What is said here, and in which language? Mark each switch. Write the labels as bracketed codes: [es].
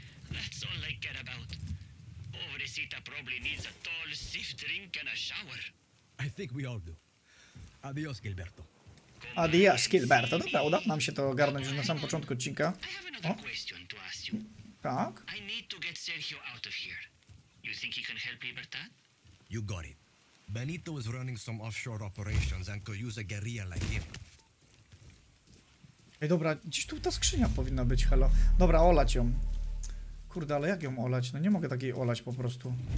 [en] That's all I care about. Pobrecita probably needs a tall, stiff drink and a shower. I think we all do. Adios, Gilberto. Adios, Gilberto. [pl] Dobra, udało nam się to ogarnąć już na samym początku odcinka. [en] I have another question to ask you. Tak? I need to get Sergio out of here. You think he can help Libertad? You got it. Benito is running some offshore operations and could use a guerrilla like him. [pl] Ej, dobra, gdzieś tu ta skrzynia powinna być, halo. Dobra, olać ją. Kurde, ale jak ją olać? No nie mogę takiej olać po prostu.